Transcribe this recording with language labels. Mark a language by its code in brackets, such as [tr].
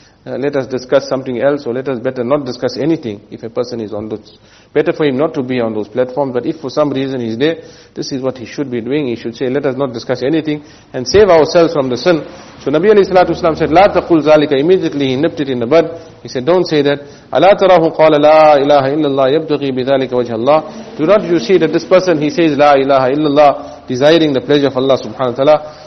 [en] Let us discuss something else, or let us better not discuss anything if a person is on those. Better for him not to be on those platforms, but if for some reason he's there, this is what he should be doing. He should say, let us not discuss anything and save ourselves from the sin. So Nabi alayhi salatu wasalam said, [ar] لا تقول ذلك. [en] Immediately he nipped it in the bud. He said, don't say that. [ar] ألا تراه قال لا إله إلا الله يبتغي بذلك وجه الله. [en] Do not you see that this person, he says [ar] لا إله إلا الله, [en] desiring the pleasure of Allah subhanahu wa ta'ala.